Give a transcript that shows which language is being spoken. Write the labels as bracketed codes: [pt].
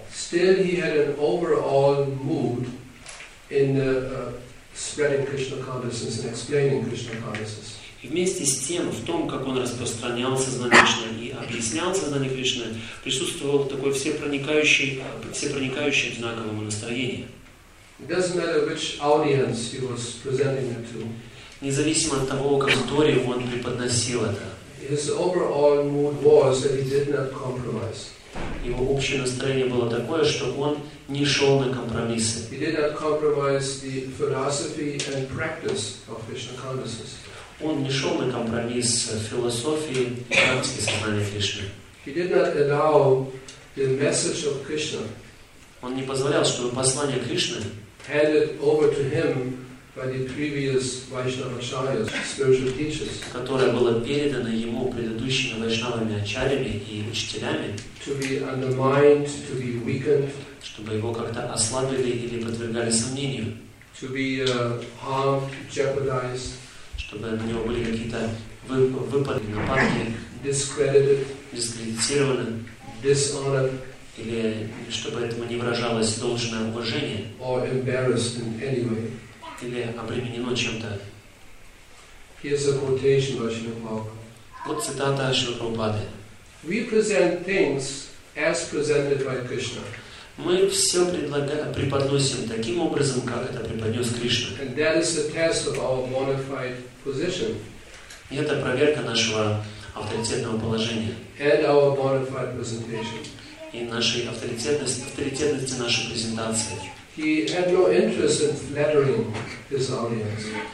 [en] Still he had an overall mood in spreading Krishna consciousness and explaining Krishna consciousness. [ru] И вместе с тем, в том, как он распространял сознание Кришны и объяснял сознание Кришны, присутствовал такой всепроникающий знаковое настроение. [en] It doesn't matter which audience he was presenting it to. [ru] Независимо от того, как аудитории он преподносил это. [en] His overall mood was that he did not compromise. [ru] Его общее настроение было такое, что он не шел на компромиссы. [en] He did not compromise the philosophy and practice of Krishna consciousness. [ru] Он не шел на компромисс с философией и практикой сознания Кришны. [en] He did not allow the message of Krishna. [ru] Он не позволял, чтобы послание Кришны [en] handed over to him by the previous Vaishnavacharyas, spiritual teachers, [ru] которое было передано ему предыдущими вайшнавами ачарьями и учителями, [en] to be undermined, to be weakened, [ru] чтобы его как-то ослабили или подвергали сомнению, [en] to be harmed, jeopardized, [ru] чтобы на него были какие-то выпады, нападки, [en] discredited, [ru] дискредитированы, [en] dishonored, [ru] или чтобы этому не выражалось должное уважение, [en] or embarrassed in any way. [ru] Или обременено чем-то. [en] Here's a quotation by Srila Prabhupada. [ru] Вот цитата Шрилы Прабхупады. [en] We present things as presented by Krishna. [ru] Мы все преподносим таким образом, как это преподнес Кришна. [en] And that is the test of our bona fide position. [ru] И это проверка нашего авторитетного положения. [en] And our bona fide presentation. [ru] И нашей авторитетности нашей презентации. [en] He had no interest in flattering his audience.